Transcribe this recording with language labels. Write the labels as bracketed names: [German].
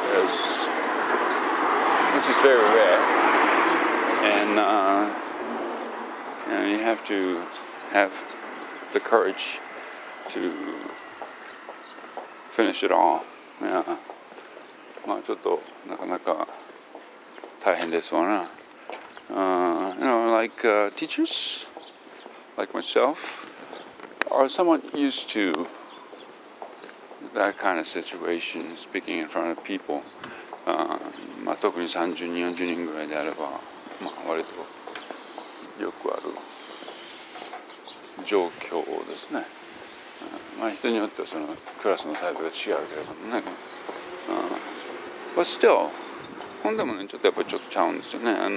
[English] Which is very rare, and you have to have the courage to finish it all. [Japanese] Yeah, まあちょっとなかなか大変ですわな。 [English] Teachers like myself are somewhat used to that kind of situation, speaking in front of people. [Japanese] 特に30人、40人ぐらいであれば、まあ、割とよくある状況ですね。人によってはそのクラスのサイズが違うけれどもね。 [English] But still, [Japanese] 本でもね、ちょっとやっぱりちょっとちゃうんですよね。